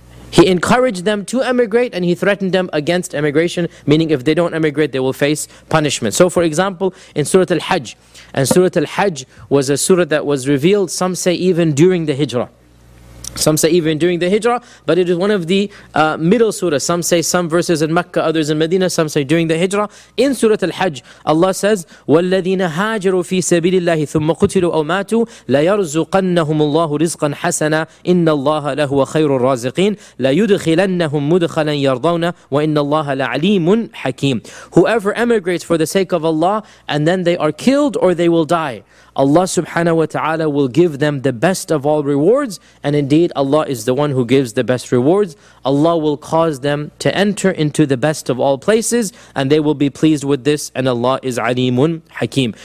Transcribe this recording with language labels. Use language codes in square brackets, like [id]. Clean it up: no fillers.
[en] He encouraged them to emigrate and He threatened them against emigration, meaning if they don't emigrate, they will face punishment. So for example, in Surah Al-Hajj, and Surah Al-Hajj was a surah that was revealed, some say even during the Hijrah. Some say even during the Hijrah, but it is one of the middle surahs. Some say some verses in Mecca, others in Medina. Some say during the Hijrah. [ar] In Surah Al-Hajj, Allah says, وَالَّذِينَ هَاجَرُوا فِي سَبِيلِ اللَّهِ ثُمَّ قُتِلُوا أَوْ مَاتُوا لَيَرْزُقَنَّهُمُ اللَّهُ رِزْقًا حَسَنًا إِنَّ اللَّهَ لَهُوَ خَيْرُ الرَّازِقِينَ لَيُدْخِلَنَّهُمْ مُدْخَلًا يَرْضَوْنَ وَإِنَّ اللَّهَ لَعَلِيمٌ حَكِيمٌ. [en] Whoever emigrates for the sake of Allah, and then they are killed or they will die, Allah subhanahu wa ta'ala will give them the best of all rewards, and indeed Allah is the one who gives the best rewards. Allah will cause them to enter into the best of all places, and they will be pleased with this, and Allah is [ar] alimun hakeem.